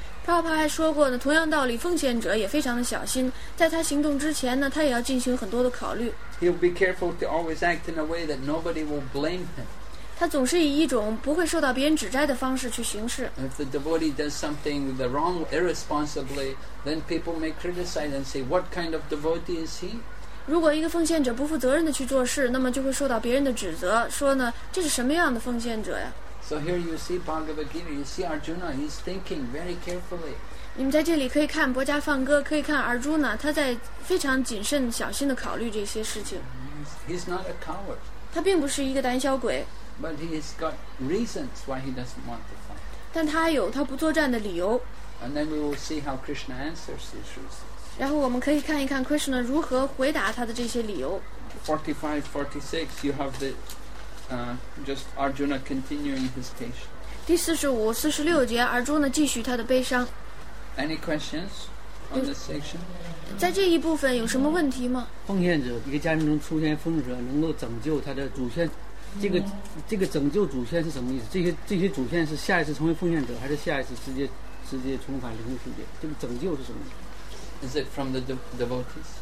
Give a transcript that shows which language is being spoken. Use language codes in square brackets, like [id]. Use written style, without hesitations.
[zh] 帕帕还说过呢，同样道理，奉献者也非常的小心，在他行动之前呢，他也要进行很多的考虑。 [en] He'll be careful to always act in a way that nobody will blame him. [zh] 他总是以一种不会受到别人指摘的方式去行事。 [en] If the devotee does something the wrong, irresponsibly, then people may criticize and say, "What kind of devotee is he?" [zh] 如果一个奉献者不负责任的去做事，那么就会受到别人的指责，说呢，这是什么样的奉献者呀？ [en] So here you see Bhagavad Gita, you see Arjuna, he's thinking very carefully. [zh] 你们在这里可以看《博迦梵歌》，可以看 Arjuna， 他在非常谨慎、小心地考虑这些事情。 [en] He's not a coward. [zh] 他并不是一个胆小鬼。 [en] But he's got reasons why he doesn't want to fight. [zh] 但他有他不作战的理由。 [en] And then we will see how Krishna answers these reasons. [zh] 然后我们可以看一看 Krishna 如何回答他的这些理由。 [en] 45, 46, you have the... just Arjuna continuing his patience. [zh] 第四十五、四十六节，尔朱呢继续他的悲伤。 [en] Any questions on this section? [zh] 在这一部分有什么问题吗？奉献者，一个家庭中出现奉献者，能够拯救他的祖先。这个拯救祖先是什么意思？这些祖先是下一次成为奉献者，还是下一次直接重返灵魂世界？这个拯救是什么意思？ [en] Is it from the devotees?